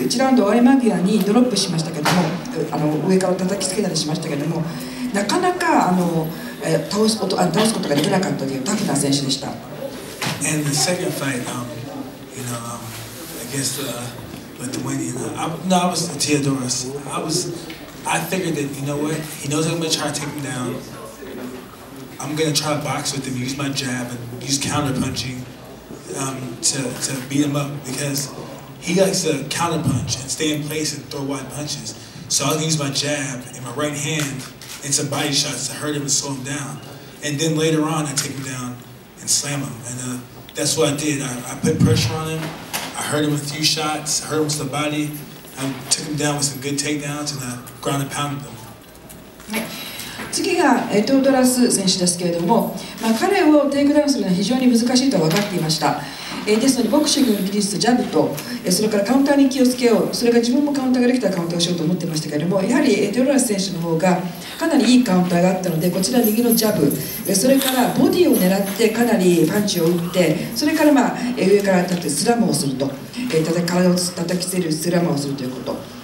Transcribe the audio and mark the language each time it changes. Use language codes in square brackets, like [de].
[ja] 1ラウンド終わり間際にドロップしましたけども、上から叩きつけたりしましたけども、なかなか倒すことができなかったというタフな選手でした。 [en] And the second fight, you know, I guess Lithuania, I was Theodorus. I figured that, you know what, he knows I'm going to try to take him down. I'm going to try to box with him, use my jab and use counter punching to beat him up, because he likes to counter punch and stay in place and throw wide punches. So I'll use my jab and my right hand and some body shots to hurt him and slow him down. And then later on, I take him down and slam him. And that's what I did. I put pressure on him. I hurt him a few shots, hurt him with the body. I took him down with some good takedowns and I ground and pounded him. [ja] 次がテオドラス選手ですけれども、彼をテイクダウンするのは非常に難しいと分かっていました。ですので、ボクシングの技術、ジャブと、それからカウンターに気をつけよう、それから自分もカウンターができたらカウンターをしようと思っていましたけれども、やはりテオドラス選手の方がかなりいいカウンターがあったので、こちら右のジャブ、それからボディを狙ってかなりパンチを打って、それから上から立ってスラムをすると、体を叩きつけるスラムをするということ。